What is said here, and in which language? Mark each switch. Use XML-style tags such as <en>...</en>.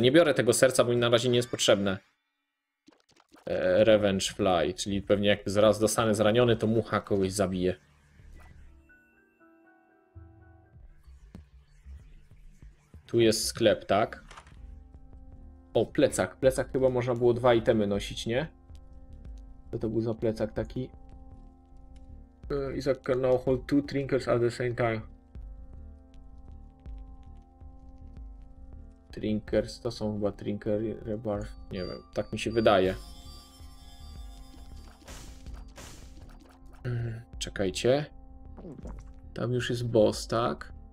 <pl>Nie biorę tego serca, bo mi na razie nie jest potrzebne. Revenge Fly, czyli pewnie jak zaraz dostanę zraniony, to mucha kogoś zabije. Tu jest sklep, tak? O, plecak. Plecak chyba można było dwa itemy nosić, nie? Co to był za plecak taki?</pl> <en>Isaac can now hold two trinkets at the same time.</en> <pl>Trinkers, to są chyba trinker rebar. Nie wiem, tak mi się wydaje. Czekajcie. Tam już jest boss, tak?</pl>